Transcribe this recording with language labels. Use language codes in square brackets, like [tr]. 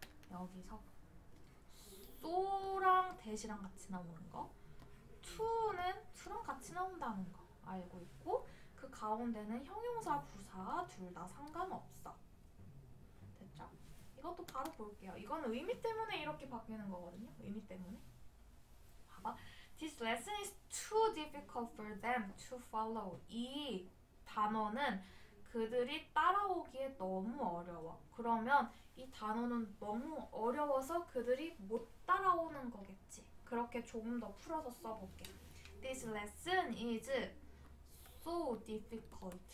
[ko] 여기서 소랑 대시랑 같이 나오는 거, 투는 투랑 같이 나온다는 거 알고 있고, 그 가운데는 형용사 부사 둘다 상관없어. 됐죠? 이것도 바로 볼게요. 이건 의미 때문에 이렇게 바뀌는 거거든요. 의미 때문에. [en] This lesson is too difficult for them to follow. [ko] 이 단어는 그들이 따라오기에 너무 어려워. 그러면 이 단어는 너무 어려워서 그들이 못 따라오는 거겠지. 그렇게 조금 더 풀어서 써볼게. [en] This lesson is so difficult.